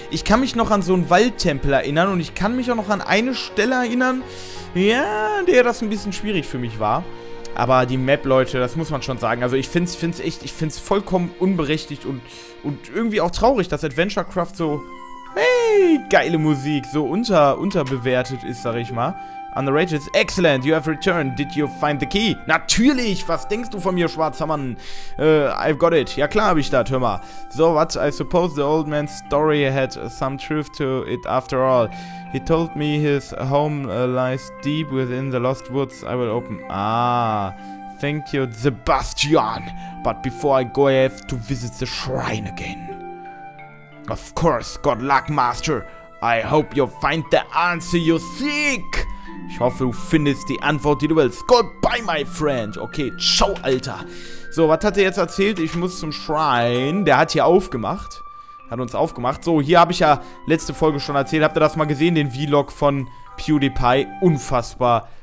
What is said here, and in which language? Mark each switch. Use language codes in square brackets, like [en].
[de] Ich kann mich noch an so einen Waldtempel erinnern und ich kann mich auch noch an eine Stelle erinnern, ja, der das ein bisschen schwierig für mich war. Aber die Map, Leute, das muss man schon sagen. Also ich find's vollkommen unberechtigt und irgendwie auch traurig, dass Adventurecraft so, hey, geile Musik, so unterbewertet ist, sag ich mal. [en] Underrated, excellent, you have returned, did you find the key? [de] Natürlich, was denkst du von mir, schwarzer Mann? [en] I've got it, [de] ja klar habe ich das, hör mal. [en] So, what, I suppose the old man's story had some truth to it after all. He told me his home lies deep within the lost woods, I will open. Ah, thank you, Sebastian, but before I go, I have to visit the shrine again. Of course, good luck, master, I hope you find the answer you seek. [de] Ich hoffe, du findest die Antwort, die du willst. [en] Goodbye, my friend. [de] Okay, ciao, Alter. So, was hat er jetzt erzählt? Ich muss zum Shrine. Der hat hier aufgemacht. Hat uns aufgemacht. So, hier habe ich ja letzte Folge schon erzählt. Habt ihr das mal gesehen? Den Vlog von PewDiePie. Unfassbar.